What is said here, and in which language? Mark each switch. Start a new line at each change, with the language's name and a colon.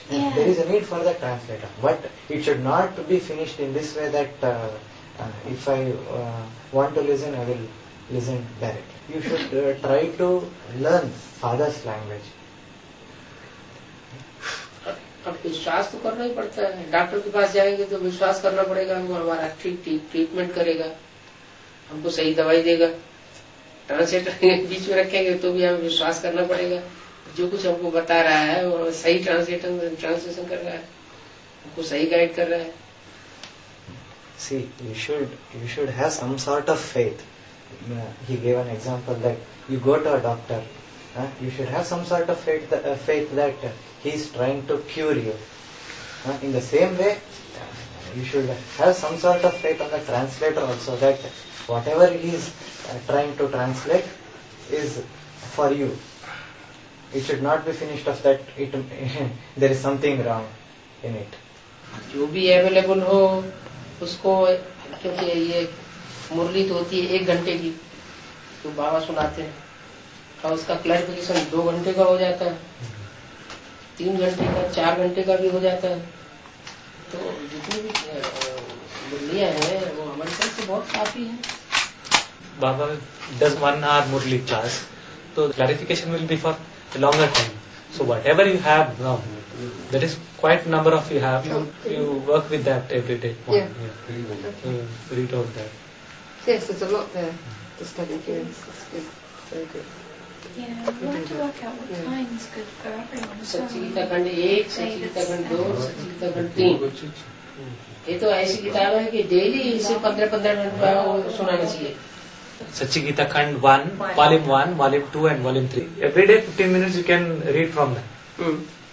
English: Yeah. There is a need for the translator, but it should not be finished in this way that if I want to listen, I will listen direct. You should try to learn father's language.
Hindi: अब विश्वास तो करना ही पड़ता है, doctor के पास जाएंगे तो विश्वास करना पड़ेगा हमको, हमारा ठीक ठीक ट्रीटमेंट करेगा, हमको सही दवाई देगा, ट्रांसलेटर बीच में रखेंगे तो भी हमें विश्वास करना पड़ेगा, जो कुछ हमको बता रहा है वो सही ट्रांसलेशन कर रहा है, हमको सही गाइड कर रहा है।
English: See, you should have some sort of faith. He gave an example that you go to a doctor, you should have some sort of faith that he is trying to cure you. In the same way, you should have some sort of faith on the translator also that whatever he is trying to translate is for you. It should not be finished of that it there is something wrong in it.
Hindi: जो भी available हो उसको, क्योंकि ये मुरली तो होती है एक घंटे की तो बाबा सुनाते हैं, और उसका क्लैरिफिकेशन 2 घंटे का हो जाता है, 3 घंटे का 4 घंटे का भी हो जाता है, तो जितनी भी मुरलियां हैं वो हमारे पास तो बहुत काफी हैं।
English: बाबा does one hour Murli charge, तो clarification will be for longer time, so whatever you have now there is quite number of you have you work with that every day. Yeah. Okay. Read out that. Yes, there's a lot there to study here. It's good. Very good. Yeah, we want to work out what time is good for everyone. Sachita Khand 1, Sachita Khand 2, Sachita Khand 3.
Hindi: ये तो ऐसी किताब है कि daily इसे 15-15 minute का सुनाना चाहिए। सच्ची गीता खंड 1, volume 1, volume 2 and volume 3.
English: Every day 15 minutes you can read from that.